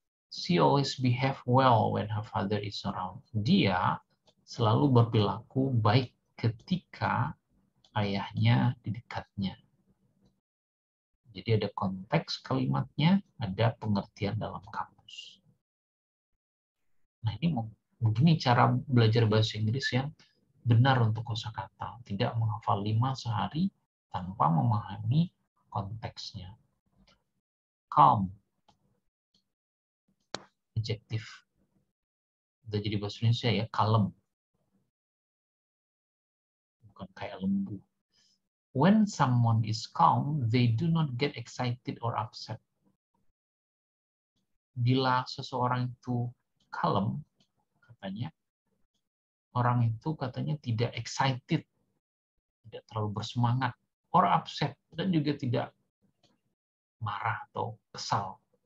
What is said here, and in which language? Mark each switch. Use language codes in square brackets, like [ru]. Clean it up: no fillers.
[en] She always behave well when her father is around. [id] Dia selalu berperilaku baik ketika ayahnya di dekatnya. Jadi ada konteks kalimatnya, ada pengertian dalam kamus. Nah, ini begini cara belajar bahasa Inggris yang benar untuk kosakata. Tidak menghafal 5 sehari tanpa memahami konteksnya. Calm. Objektif. Udah jadi bahasa Indonesia ya, kalem. Bukan kayak lembu. [en] When someone is calm, they do not get excited or upset. [id] Bila seseorang itu kalem, katanya, orang itu katanya tidak excited, tidak terlalu bersemangat, [en] or upset, [id] dan juga tidak marah atau kesal.